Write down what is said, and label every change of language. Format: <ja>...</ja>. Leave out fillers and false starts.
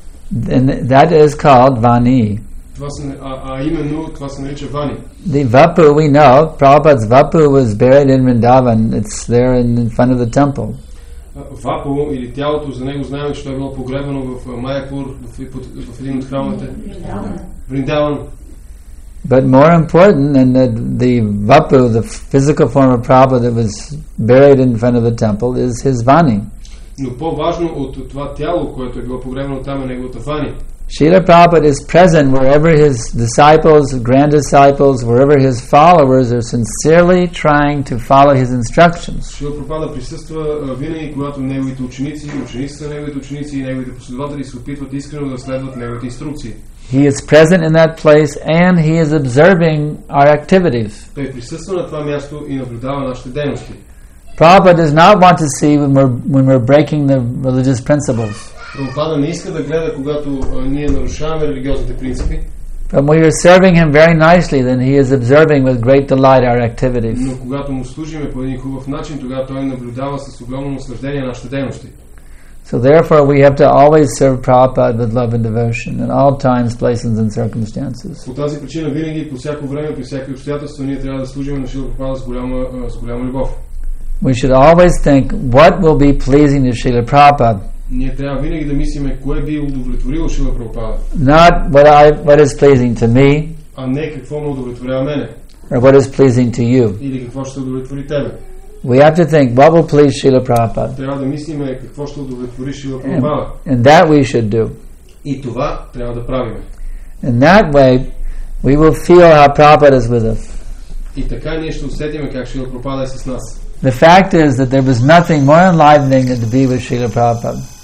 <en>And that is called Vani. The Vapu, we know, Prabhupada's Vapu was buried in Vrindavan. It's there in front of the temple.</en> <bg>Vapu, или тялото за него знаем, че е било погребано в Майяпур, в един от храмовете.</bg> <en>Vrindavan. But more important than the Vapu, the physical form of Prabhupada that was buried in front of the temple, is his Vani.</en> <bg>Но по-важно от това тяло, което е било погребано там, е неговата Вани.</bg> <en>Srila Prabhupada is present wherever his disciples, grand disciples, wherever his followers are sincerely trying to follow his instructions.</en> <bg>Srila Prabhupada присъства винаги, когато неговите ученици, учениците на неговите ученици и неговите последователи се опитват искрено да следват неговите инструкции.</bg> <en>He is present in that place and he is observing our activities.</en> <bg>Той присъства на това място и наблюдава нашите дейности.</bg> <en>Prabhupada does not want to see when we're breaking the religious principles.</en> <bg>Prabhupada не иска да гледа, когато ние нарушаваме религиозните принципи.</bg> <en>But when we are serving him very nicely, then he is observing with great delight our activities.</en> <bg>Но когато му служиме по един хубав начин, тогава той наблюдава с огромно наслаждение нашите дейности.</bg> <en>So therefore we have to always serve Prabhupada with love and devotion in all times, places and circumstances.</en> <bg>По тази причина винаги, по всяко време, при всяки обстоятелства ние трябва да служим на Шрила Прабхупада с голяма любов.</bg> <en>We should always think what will be pleasing to Srila Prabhupada.</en> <bg>Ние трябва винаги да мислиме кое би удовлетворило Шрила Прабхупада.</bg> <en>Not what is pleasing to me.</en> <bg>А не какво ме удовлетворява мене.</bg> <en>Or what is pleasing to you.</en> <bg>Или какво ще удовлетвори тебе.</bg> <en>We have to think what will please Srila Prabhupada.</en> <bg>Трябва да мислиме какво ще удовлетвори Шрила Прабхупада.</bg> <en>And that we should do.</en> <bg>И това трябва да правим.</bg> <en>In that way we will feel how Prabhupada is with us.</en> <bg>И така ние ще усетиме как Шрила Прабхупада е с нас.</bg> <en>The fact is that there was nothing more enlightening than to be with Srila Prabhupada.</en>